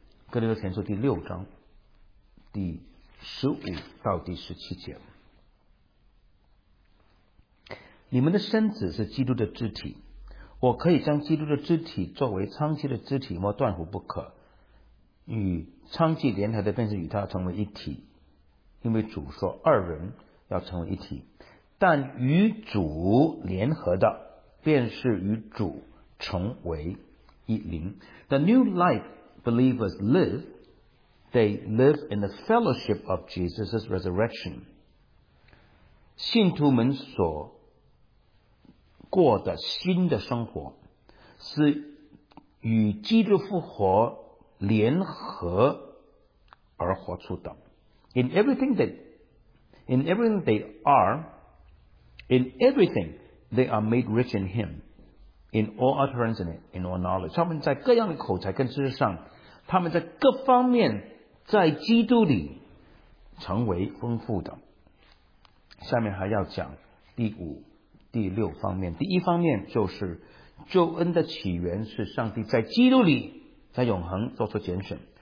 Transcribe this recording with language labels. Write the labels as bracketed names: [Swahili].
[Chinese] 哥林多前书第六章第十五到第十七节，你们的身子是基督的肢体，我可以将基督的肢体作为娼妓的肢体，莫断乎不可。与娼妓联合的，便是与他成为一体，因为主说二人要成为一体，但与主联合的，便是与主成为一灵。 [English] The new life believers live, they live in the fellowship of Jesus' resurrection. [Chinese] 信徒们所过的新的生活是与基督复活联合而活出的。 [English] In everything they are made rich in Him, in all utterance and in all knowledge. [Chinese] 他们在各样的口才跟知识上，他们在各方面在基督里成为丰富的。下面还要讲第五、第六方面。第一方面就是救恩的起源是上帝在基督里在永恒做出拣选。